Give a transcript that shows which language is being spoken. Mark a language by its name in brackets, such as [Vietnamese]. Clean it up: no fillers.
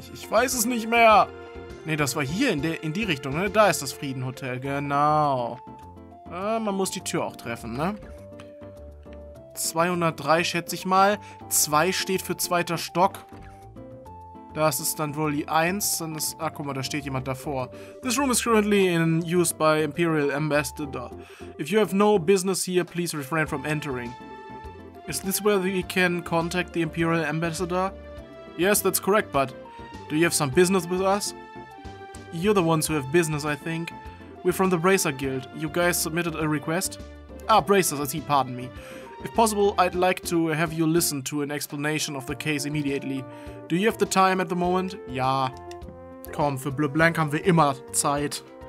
[German] Ich weiß es nicht mehr. Nee, das war hier in die Richtung, ne? Da ist das Frieden Hotel, genau. Man muss die Tür auch treffen, ne? 203, schätze ich mal. 2 steht für zweiter Stock. Das ist dann wohl die 1. Dann ist, ah, guck mal, da steht jemand davor. [English] This room is currently in use by Imperial Ambassador. If you have no business here, please refrain from entering. Is this where we can contact the Imperial Ambassador? Yes, that's correct, but do you have some business with us? You're the ones who have business, I think. We're from the Bracer Guild. You guys submitted a request? Ah, Bracers, I see, pardon me. If possible, I'd like to have you listen to an explanation of the case immediately. Do you have the time at the moment? [German] Ja. Komm, für Bleu Blanc haben wir immer Zeit.